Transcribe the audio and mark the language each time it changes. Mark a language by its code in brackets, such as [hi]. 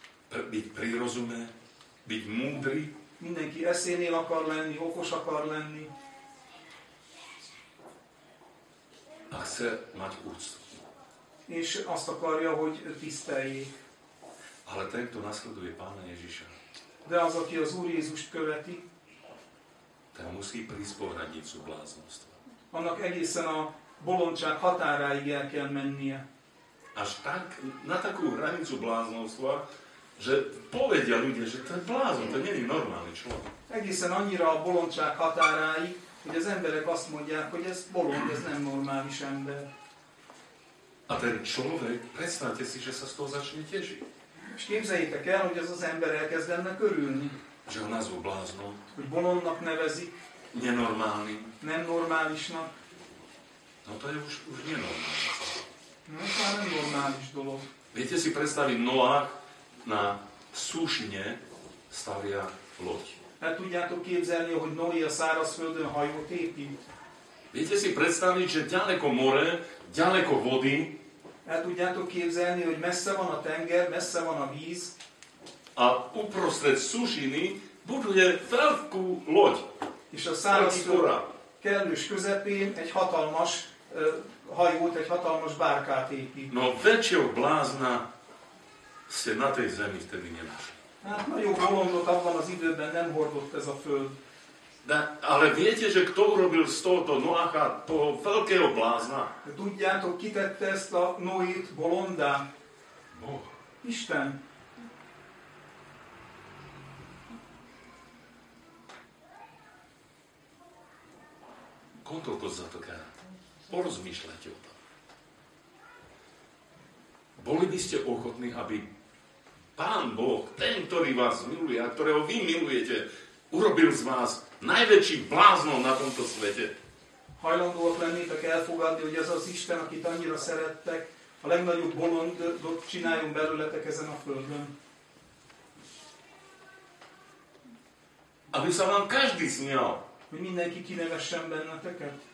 [sk] Byť prirozumé, byť múdry. [hu] Mindenki eszénél akar lenni, okos akar lenni. [sk] A chce mať úctu. [hu] És azt akarja, hogy tiszteljék. [sk] Ale ten, kto nasleduje Pána Ježiša. [hu] De az, aki az Úr Jézust követi. [sk] Ten musí prísť po hranicu bláznostva. [hu] Annak egészen a bolondság határáig el kell mennie. [sk] Až tak, na takú hranicu bláznostva, že povedia ľudia, že to je blázon, to nie je normálny človek. [hu] Egészen annyira a bolondság határáig, hogy az emberek azt mondják, hogy ez bolond, ez nem normális ember. [sk] A ten človek, predstavte si, že sa z toho začne tešiť. [hu] És képzeljétek el, hogy ez az ember elkezdenne körülni. [sk] Že ho nazvú bláznom. [hu] Hogy bolondnak nevezi. [sk] Nenormálny. [hu] Nem normálisnak. [sk] No to je už nenormálny. [hu] No to je nenormális dolog. [sk] Viete si predstaviť Noah, na sušne stavia loď. [hu] Hát tudjátok képzelni, hogy Noé a szárazföldön hajót épít. [sk] Viete si predstaviť, že ďaleko more, ďaleko vody. [hu] El tudjátok képzelni, hogy messze van a tenger, messze van a víz. [sk] A uprostred sušiny buduje veľkú loď. [hu] És a szárazföld kellős közepén egy hatalmas hajót, egy hatalmas bárkát épít. [sk] No, väčšieho blázna ste na tej zemi vtedy nenašli. [hu] Hát nagyon bolondot abban az időben nem hordott ez a föld. [sk] De, ale viete, že kto urobil z tohoto Noacha toho veľkého blázna? [hu] Tudjátok, ki tette ezt a Noét bolondá? [sk] Boh. [hu] Isten. Gondolkozzatok el. [sk] Porozmýšľajte o tom. Boli by ste ochotní, aby Pán Boh, ten, ktorý vás miluje a ktorého vy milujete, urobil z vás najväčší bláznom na tomto svete. [hu] Hajlandóak lennétek elfogadni, hogy ez az Isten, akit annyira szerettek, a legnagyobb bolondot csináljon belőletek ezen a földön. [sk] Aby sa vám každý smial. [hu] Hogy mindenki kinevessen benneteket.